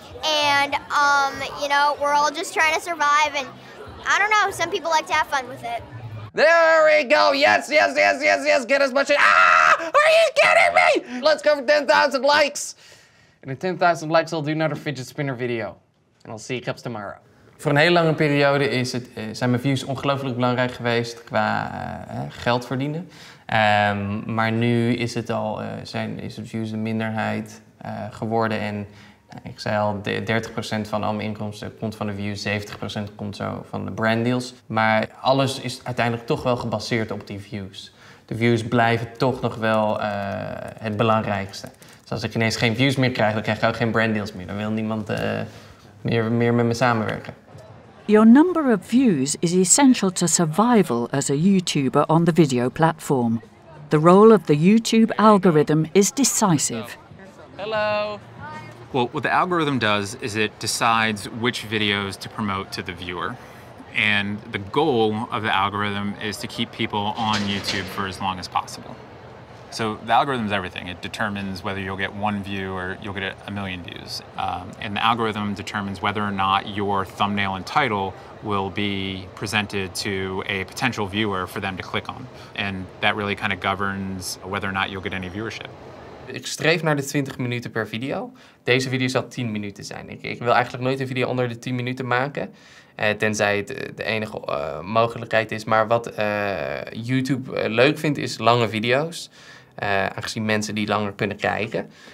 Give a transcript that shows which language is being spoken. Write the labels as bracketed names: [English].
[English] And, you know, we're all just trying to survive, and I don't know, some people like to have fun with it. There we go! Yes, yes, yes, yes, yes! Get as much as— Ah! Are you kidding me?! Let's go for 10,000 likes! And at 10,000 likes, I'll do another fidget spinner video. And I'll see you cups tomorrow. [Dutch] Voor een hele lange periode zijn mijn views ongelooflijk belangrijk geweest qua geld verdienen. Maar nu is het al, is het views een minderheid geworden en... Ik zei al, 30% van al mijn inkomsten komt van de views, 70% komt zo van de branddeals. Maar alles is uiteindelijk toch wel gebaseerd op die views. De views blijven toch nog wel het belangrijkste. Dus als ik ineens geen views meer krijg, dan krijg ik ook geen branddeals meer. Dan wil niemand meer met me samenwerken. [English] Your number of views is essential to survival as a YouTuber on the video platform. The role of the YouTube algorithm is decisive. Hello. Well, what the algorithm does is it decides which videos to promote to the viewer. And the goal of the algorithm is to keep people on YouTube for as long as possible. So the algorithm is everything. It determines whether you'll get one view or you'll get a million views. And the algorithm determines whether or not your thumbnail and title will be presented to a potential viewer for them to click on. And that really kind of governs whether or not you'll get any viewership. [Dutch] Ik streef naar de 20 minuten per video. Deze video zal 10 minuten zijn. Ik wil eigenlijk nooit een video onder de 10 minuten maken. Tenzij het de enige mogelijkheid is. Maar wat YouTube leuk vindt, is lange video's. Aangezien mensen die langer kunnen kijken.